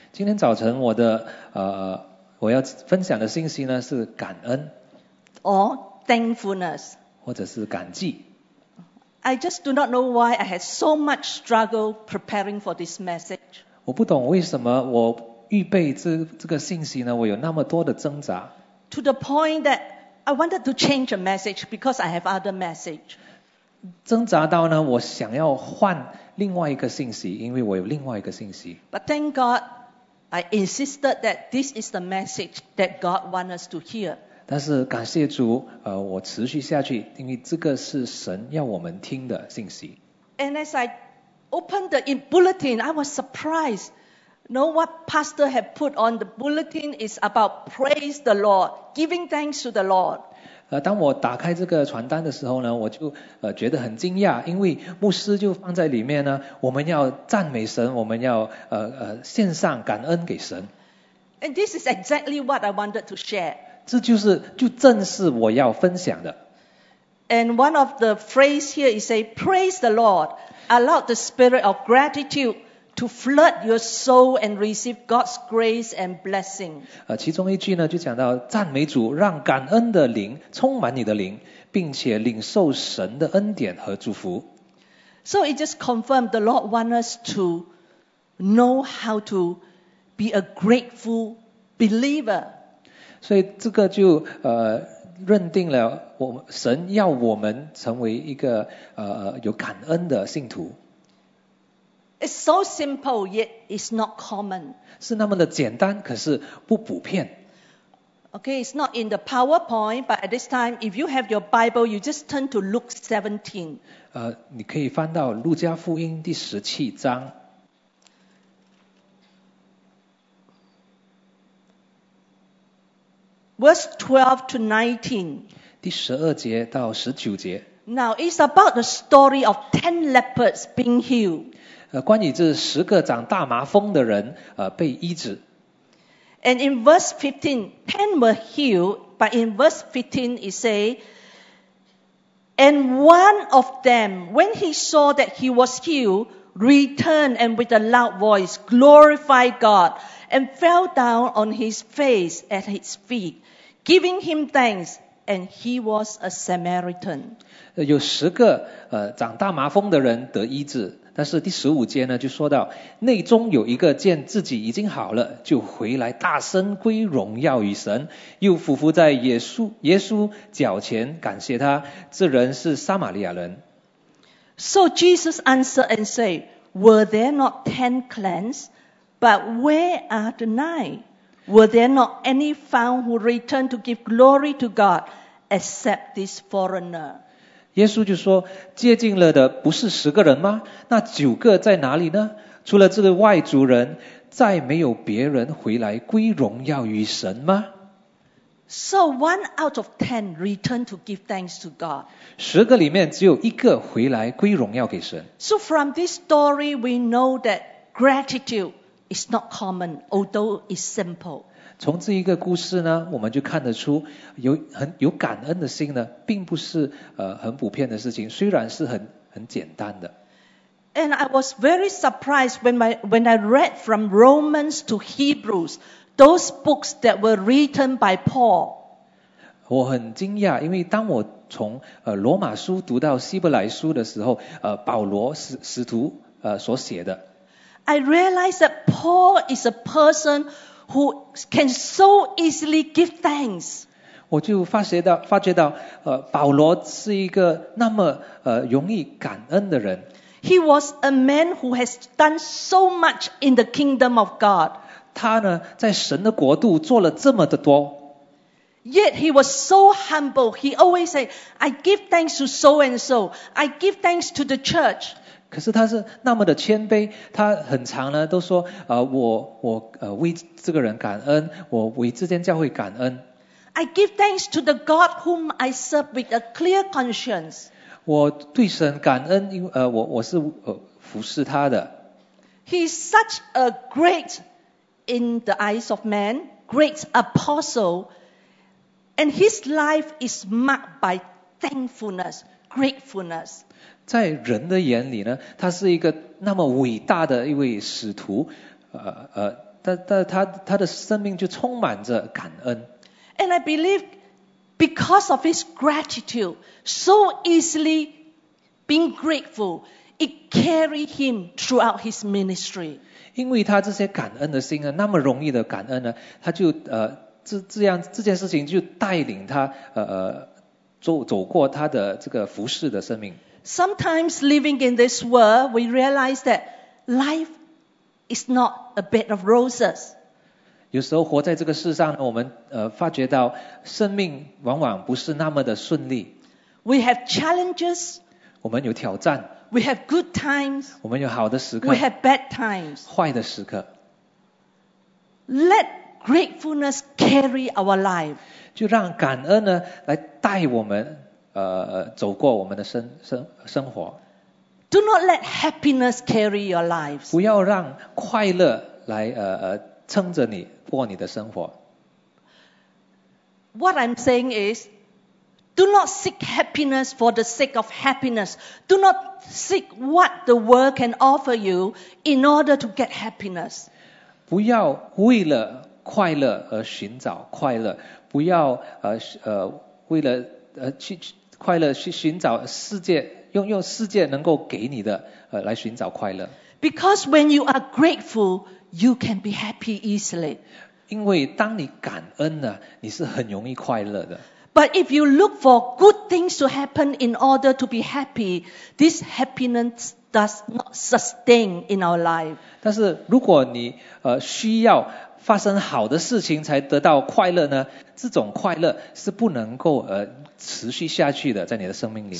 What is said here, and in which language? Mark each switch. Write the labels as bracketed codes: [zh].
[zh] 今天早晨我的我要分享的信息呢是感恩。 [en] Or thankfulness. [zh] 或者是感激。 [en] I just do not know why I had so much struggle preparing for this message. [zh] 我不懂为什么我预备这个信息呢我有那么多的挣扎。 [en] To the point that I wanted to change a message because I have other message. [zh] 挣扎到呢我想要换另外一个信息因为我有另外一个信息。 [en] But thank God, I insisted that this is the message that God wants us to hear. [zh] 但是感谢主我持续下去因为这个是神要我们听的信息。 [en] And as I opened the bulletin, I was surprised. Know what pastor had put on the bulletin is about praise the Lord, giving thanks to the Lord. [zh] 当我打开这个传单的时候呢，我就觉得很惊讶，因为牧师就放在里面呢，我们要赞美神，我们要献上感恩给神。 [en] And this is exactly what I wanted to share. [zh] 这就正是我要分享的。 [en] And one of the phrase here is say, praise the Lord, allow the spirit of gratitude. To flood your soul and receive God's grace and blessing. [zh] 其中一句呢就讲到赞美主让感恩的灵充满你的灵并且领受神的恩典和祝福。 [en] So it just confirmed the Lord wants us to know how to be a grateful believer. [zh] 所以这个就认定了我神要我们成为一个有感恩的信徒。 [en] It's so simple, yet it's not common. [zh] 是那么的简单，可是不普遍。 [en] Okay, it's not in the PowerPoint, but at this time, if you have your Bible, you just turn to Luke 17. [zh] 你可以翻到路加福音第十七章。 [en] Verse 12 to 19. [zh] 第十二节到十九节。 [en] Now, it's about the story of 10 lepers being healed. [zh] 关于这十个长大麻风的人被医治。 [en] And in verse 15, 10 were healed, but in verse 15 it say, And one of them, when he saw that he was healed, returned and with a loud voice glorified God and fell down on his face at his feet, giving him thanks. And he was a Samaritan. [zh] 有十个长大麻风的人得医治，但是第十五节呢就说到，内中有一个见自己已经好了，就回来大声归荣耀于神，又俯伏在耶稣脚前感谢他。这人是撒玛利亚人。 [en] So Jesus answered and said, Were there not 10 cleansed? But where are the 9? Were there not any found who returned to give glory to God except this foreigner? [zh] 耶稣就说洁净了的不是十个人吗那九个在哪里呢除了这个外族人再没有别人回来归荣耀于神吗 [en] So one out of 10 returned to give thanks to God. [zh] 十个里面只有一个回来归荣耀给神。 [en] So from this story we know that gratitude,It's not common, although it's simple. [zh] 从这一个故事呢，我们就看得出有感恩的心呢，并不是很普遍的事情，虽然是很简单的。 [en] And I was very surprised when I read from Romans to Hebrews, those books that were written by Paul. [zh] 我很惊讶，因为当我从罗马书读到希伯来书的时候，保罗使徒所写的。 [en] I realized that Paul is a person who can so easily give thanks. [zh] 我就发觉到保罗是一个那么容易感恩的人。 [en] He was a man who has done so much in the kingdom of God. [zh] 他呢在神的国度做了这么的多。 [en] Yet he was so humble. He always said, I give thanks to so and so. I give thanks to the church. [zh] 可是他是那么的谦卑，他很常呢都说，我为这个人感恩，我为这间教会感恩。 [en] I give thanks to the God whom I serve with a clear conscience. [zh] 我对神感恩，因为我是服侍他的。 [en] He's such a great in the eyes of man, great apostle, and his life is marked by thankfulness, gratefulness. [zh] 在人的眼里呢，他是一个那么伟大的一位使徒，他的生命就充满着感恩。 [en] And I believe because of his gratitude, so easily being grateful, it carried him throughout his ministry. [zh] 因为他这些感恩的心呢，那么容易的感恩呢，他就这件事情就带领他走过他的这个服事的生命。 [en] Sometimes living in this world, we realize that life is not a bed of roses. [zh] 有时候活在这个世上，我们发觉到生命往往不是那么的顺利。 [en] We have challenges. [zh] 我们有挑战。 [en] We have good times. [zh] 我们有好的时刻。 [en] We have bad times. [zh] 坏的时刻。 [en] Let gratefulness carry our life. [zh] 就让感恩呢来带我们。走过我们的生活。 [en] Do not let happiness carry your lives. [zh] 不要让快乐来撑着你过你的生活。 [en] What I'm saying is, do not seek happiness for the sake of happiness. Do not seek what the world can offer you in order to get happiness. [zh] 不要为了快乐而寻找快乐，不要为了去快乐去寻找世界，用世界能够给你的来寻找快乐。 [en] Because when you are grateful, you can be happy easily. [zh] 因为当你感恩呢，你是很容易快乐的。 [en] But if you look for good things to happen in order to be happy, this happiness does not sustain in our life. [zh] 但是如果你需要发生好的事情才得到快乐呢，这种快乐是不能够持续下去的，在你的生命里面。